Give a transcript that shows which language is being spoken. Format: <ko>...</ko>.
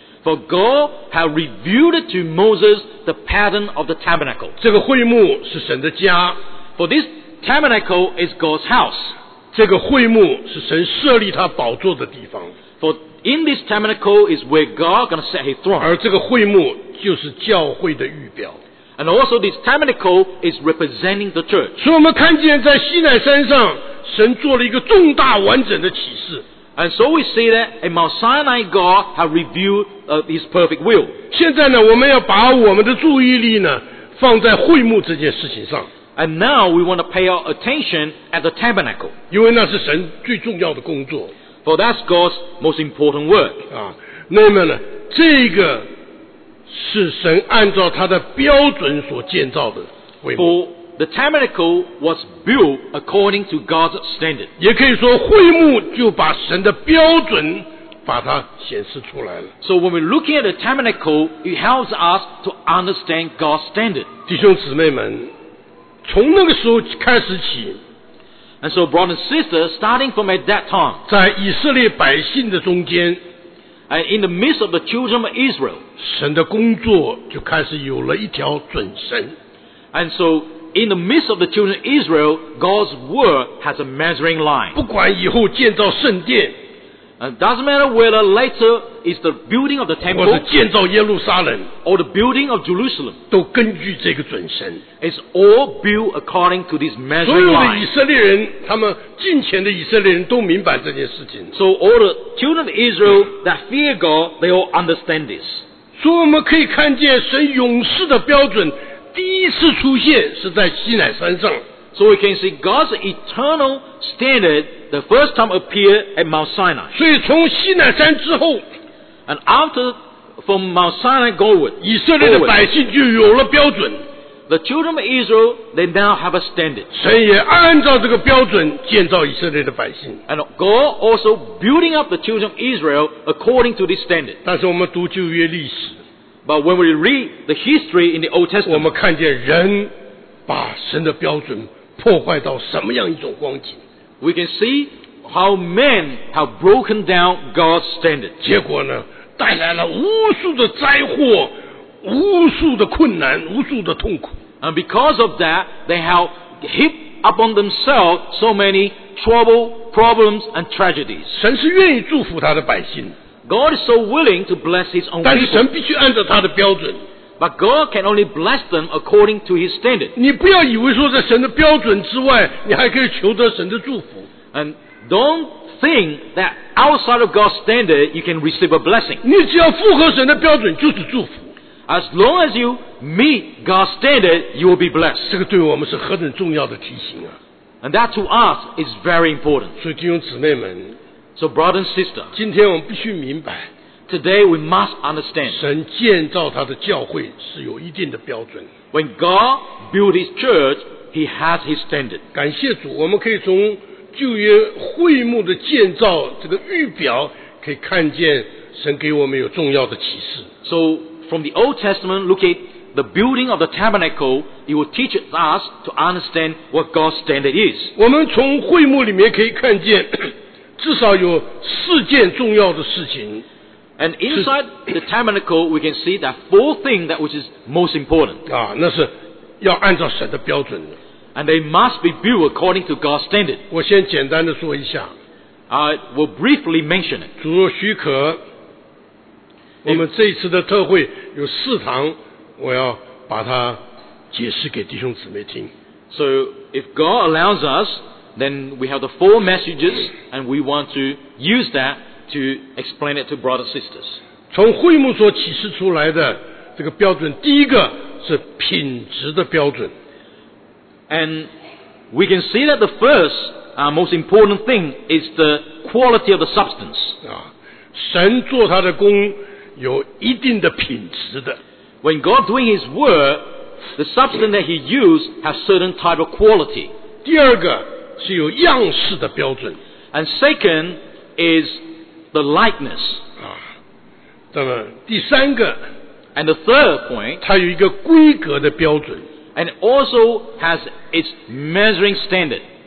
<en>For God has revealed to Moses the pattern of the tabernacle.</en> <zh>这个会幕是神的家</zh> <en>For this tabernacle is God's house.</en> <zh>这个会幕是神设立他宝座的地方</zh> <en>For in this tabernacle is where God is going to set His throne.</en> <zh>而这个会幕就是教会的预表。</zh> <en>And also this tabernacle is representing the church.</en> <zh>所以我们看见在西乃山上神做了一个重大完整的启示。</zh> <en>And so we see that in Mount Sinai God has revealed His perfect will.</en> <zh>现在呢我们要把我们的注意力呢放在会幕这件事情上。</zh> <en>And now we want to pay our attention at the tabernacle.</en> <zh>因为那是神最重要的工作。</zh> <en>For that's God's most important work.</en> <zh>啊，那么呢这个是神按照他的标准所建造的会幕。</zh> <en>For the tabernacle was built according to God's standard.</en> <zh>也可以说会幕就把神的标准把它显示出来了。</zh> <en>So when we're looking at the tabernacle, it helps us to understand God's standard.</en> <zh>弟兄姊妹们，从那个时候开始起。</zh> <en>And so brothers and sisters, starting from at that time.</en> <zh>在以色列百姓的中间。</zh> <en>And in the midst of the children of Israel,</en> <zh>神的工作就开始有了一条准绳。</zh> <en>And so, in the midst of the children of Israel, God's word has a measuring line.</en> <zh>不管以后建造圣殿。</zh> <en>And doesn't matter whether later is the building of the temple,</en> <zh>或者建造耶路撒冷。</zh> <en>Or the building of Jerusalem,</en> <zh>都根据这个准绳。</zh> <en>It's all built according to this measuring line.</en> <zh>所有的以色列人，他们近前的以色列人都明白这件事情。</zh> <en>So all the children of Israel that fear God, they all understand this.</en> <zh>所以我们可以看见神勇士的标准第一次出现是在西乃山上。</zh> <en>So we can see God's eternal standard the first time appear at Mount Sinai.</en> <zh>所以从西乃山之后</zh> <en>，and after from Mount Sinai goward，</en> <zh>以色列的百姓就有了标准。</zh> <en>The children of Israel they now have a standard.</en> <zh>神也按照这个标准建造以色列的百姓。</zh> <en>And God also building up the children of Israel according to this standard.</en> <zh>但是我们读旧约历史</zh> <en>，but when we read the history in the Old Testament，</en> <zh>我们看见人。把神的标准破坏到什么样一种光景</zh> <en>？We can see how men have broken down God's standard.</en> <zh>结果呢，带来了无数的灾祸，无数的困难，无数的痛苦。</zh> <en>And because of that, they have heaped upon themselves so many trouble, problems, and tragedies.</en> <zh>神是愿意祝福他的百姓。</zh> <en>God is so willing to bless His own people.</en> <zh>但是神必须按照他的标准。</zh> <en>But God can only bless them according to His standard.</en> <zh>你不要以为说在神的标准之外，你还可以求得神的祝福。</zh> <en>And don't think that outside of God's standard, you can receive a blessing.</en> <zh>你只要符合神的标准，就是祝福。</zh> <en>As long as you meet God's standard, you will be blessed.</en> <zh>这个对我们是何等重要的提醒啊！</zh> <en>And that to us is very important.</en> <zh>所以弟兄姊妹们，</zh> <en>So brother and sister,</en> <zh>今天我们必须明白，</zh> <en>Today we must understand.</en> <zh>神建造他的教会是有一定的标准。</zh> <en>When God built His church, He has His standard.</en> <zh>感谢主，我们可以从旧约会幕的建造这个预表可以看见神给我们有重要的启示。</zh> <en>So from the Old Testament, look at the building of the tabernacle. It will teach us to understand what God's standard is.</en> <zh>我们从会幕里面可以看见，至少有四件重要的事情。</zh> <en>And inside the tabernacle, we can see that four things that which is most important.</en> <zh>啊，那是要按照神的标准的。</zh> <en>And they must be built according to God's standard.</en> <zh>我先简单的说一下。</zh> <en>I will briefly mention it.</en> <zh>主若许可。我们这一次的特会有四堂，我要把它解释给弟兄姊妹听。</zh> <en>So if God allows us, then we have the four messages, and we want to use that to explain it to brothers and sisters.</en> <zh>从会幕所启示出来的这个标准，第一个是品质的标准。</zh> <en>And we can see that the first, most important thing is the quality of the substance.</en> <zh>啊，神做他的工。有一定的品质的。</zh> <en>When God doing His work, the substance that He used has certain type of quality.</en> <zh>第二个是有样式的标准。</zh> <en>And second is the likeness.</en> <zh>啊，那么第三个。</zh> <en>And the third point.</en> <zh>它有一个规格的标准。</zh> <en>And it also has its measuring standard.</en>